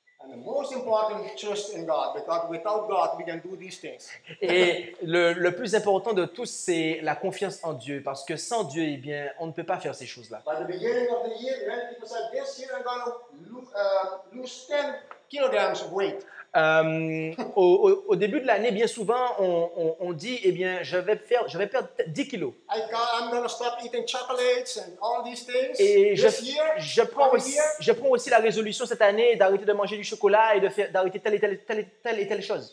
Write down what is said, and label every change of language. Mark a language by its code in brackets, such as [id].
[fr] Et le plus important de tous, c'est la confiance en Dieu. Parce que sans Dieu, on ne peut pas faire ces choses-là. [en] By the beginning of the year, many people said, this year I'm going to lose 10 kilograms of weight. [fr] au début de l'année, bien souvent, on dit, je vais perdre 10 kilos. [en] I'm going to stop eating chocolates and all these things. [fr] Et je prends aussi la résolution cette année d'arrêter de manger du chocolat et d'arrêter telle et telle chose.